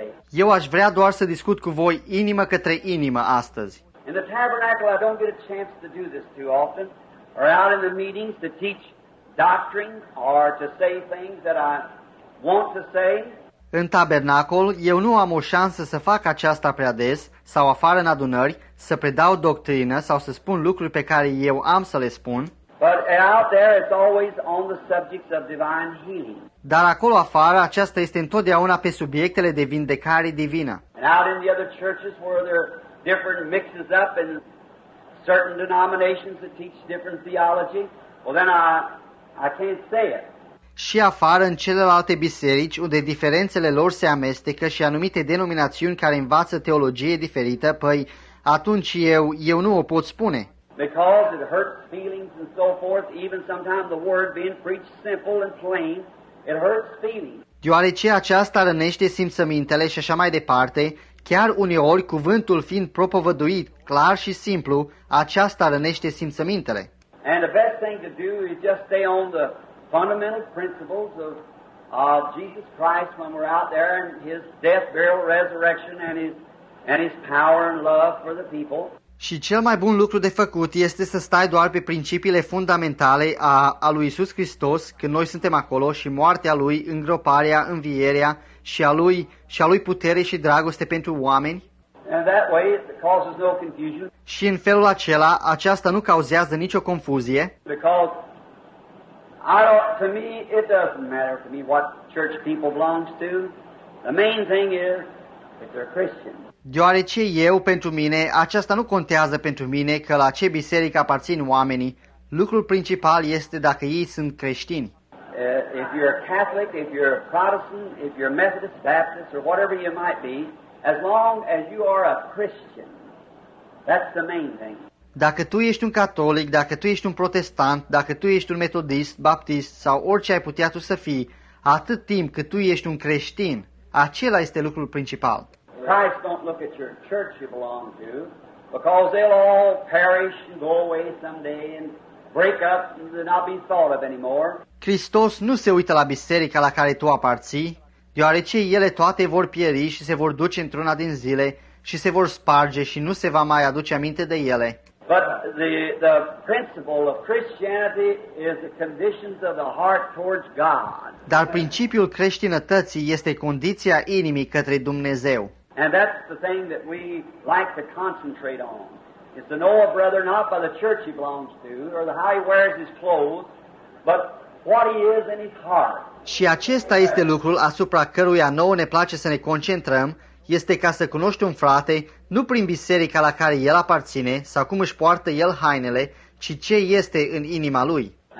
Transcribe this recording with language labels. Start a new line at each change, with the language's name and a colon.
Romanian: Eu aș vrea doar să discut cu voi inimă către inimă astăzi.
English: In the tabernacle I don't get a chance to do this too often, or out in the meetings to teach doctrine or to say things that I want to say.
Romanian: În tabernacol, eu nu am o șansă să fac aceasta prea des sau afară în adunări, să predau doctrină sau să spun lucruri pe care eu am să le spun.
English: But out there it's always on the subjects of divine healing.
Romanian: Dar acolo afară, aceasta este întotdeauna pe subiectele de vindecare divină.
English: And out in the other churches where there are different mixes up and certain denominations that teach different theology, well then I can't say it.
Romanian: Și afară, în celelalte biserici, unde diferențele lor se amestecă și anumite denominațiuni care învață teologie diferită, păi atunci eu nu o pot spune.
English: Because it hurts feelings and so forth, even sometimes the word being preached simple and plain, it hurts feelings.
Romanian: Deoarece aceasta rănește simțămintele și așa mai departe, chiar uneori cuvântul fiind propovăduit clar și simplu, aceasta rănește simțămintele.
English: And the best thing to do is just stay on the fundamental principles of Jesus Christ when we're out there and his death, burial, resurrection and his power and love for the people.
Romanian: Și cel mai bun lucru de făcut este să stai doar pe principiile fundamentale a lui Iisus Hristos când noi suntem acolo și moartea lui, îngroparea, învierea și a lui putere și dragoste pentru oameni.
English: And that way it causes no confusion.
Romanian: Și în felul acela, aceasta nu cauzează nicio confuzie.
English: Because to me, it doesn't matter to me what church people belongs to. The main thing is that they're Christian.
Romanian: Deoarece eu, pentru mine, aceasta nu contează pentru mine că la ce biserică aparțin oamenii. Lucrul principal este dacă ei sunt creștini.
English: If you're a Catholic, if you're a Protestant, if you're a Methodist, Baptist, or whatever you might be, as long as you are a Christian, that's the main thing.
Romanian: Dacă tu ești un catolic, dacă tu ești un protestant, dacă tu ești un metodist, baptist sau orice ai putea tu să fii, atât timp cât tu ești un creștin, acela este lucrul principal.
English: Christ don't look at your church you belong to, because they'll all perish and go away someday and break up and not be thought of anymore.
Romanian: Hristos nu se uită la biserica la care tu aparții, deoarece ele toate vor pieri și se vor duce într-una din zile și se vor sparge și nu se va mai aduce aminte de ele.
English: But the principle of Christianity is the conditions of the heart towards God.
Romanian: Dar principiul creștinătății este condiția inimii către Dumnezeu.
English: And that's the thing that we like to concentrate on. It's to know a brother not by the church he belongs to or how he wears his clothes, but what he is in his heart.
Romanian: Și acesta este lucrul asupra căruia nouă ne place să ne concentrăm. Este ca să cunoști un frate, nu prin biserica la care el aparține sau cum își poartă el hainele, ci ce este în inima lui.